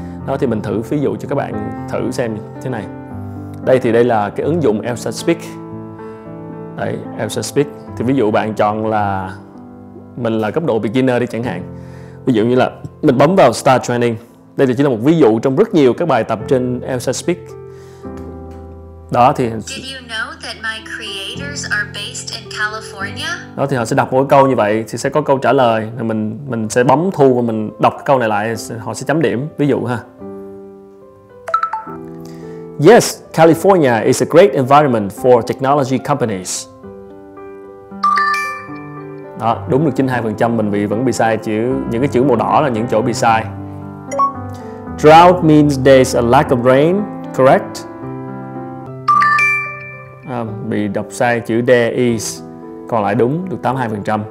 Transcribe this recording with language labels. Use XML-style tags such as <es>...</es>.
<vi>Đó, thì mình thử ví dụ cho các bạn thử xem thế này. Đây thì đây là cái ứng dụng Elsa Speak. Đấy, Elsa Speak. Thì ví dụ bạn chọn là mình là cấp độ beginner đi chẳng hạn. Ví dụ như là mình bấm vào Start Training. Đây thì chỉ là một ví dụ trong rất nhiều các bài tập trên Elsa Speak. Đó thì</vi> <en>Did you know that my creators are based in California?</en> <vi>Đó thì họ sẽ đọc một câu như vậy, thì sẽ có câu trả lời, rồi mình sẽ bấm thu và mình đọc cái câu này lại, họ sẽ chấm điểm. Ví dụ ha.</vi> <en>Yes, California is a great environment for technology companies.</en> <vi>Đó, đúng được 92%, mình bị vẫn bị sai chữ, những cái chữ màu đỏ là những chỗ bị sai.</vi> <en>Drought means there's a lack of rain, correct?</en> <vi>Bị đọc sai chữ</vi> <en>there is,</en> <vi>còn lại đúng được 82%.</vi>